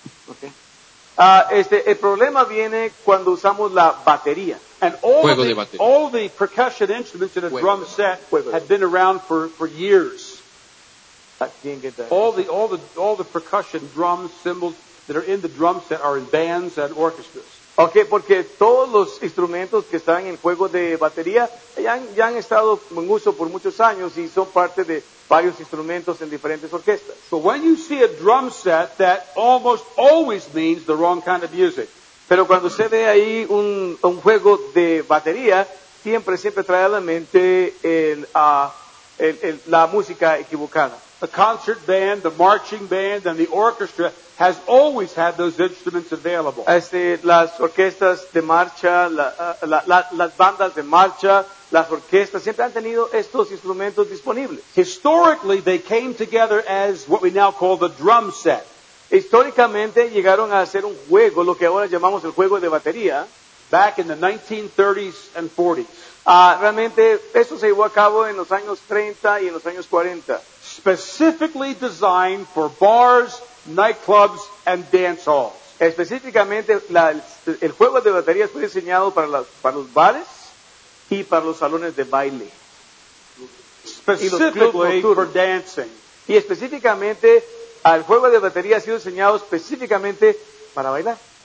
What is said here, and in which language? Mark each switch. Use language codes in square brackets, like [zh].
[es] Okay. El problema viene cuando usamos la batería. [en] And all the percussion instruments in a drum set have been around for years. All the percussion drums, cymbals that are in the drum set are in bands and orchestras. [es] Okay, porque todos los instrumentos que están en juego de batería ya han estado en uso por muchos años y son parte de varios instrumentos en diferentes orquestas. [en] So when you see a drum set, that almost always means the wrong kind of music. [es] Pero cuando se ve ahí un juego de batería, siempre trae a la mente la música equivocada. [en] The concert band, the marching band, and the orchestra has always had those instruments available. [es] Las orquestas de marcha, las bandas de marcha, las orquestas siempre han tenido estos instrumentos disponibles. [en] Historically, they came together as what we now call the drum set. [es] Históricamente llegaron a hacer un juego, lo que ahora llamamos el juego de batería. [en] Back in the 1930s and 40s. [es] Realmente, esto se llevó a cabo en los años 30 y en los años 40. [en] Specifically designed for bars, nightclubs, and dance halls. [es] Específicamente, el juego de baterías fue diseñado para los bares y para los salones de baile. [en] Specifically for dancing. [es] Y específicamente, el juego de baterías ha sido diseñado específicamente para bailar.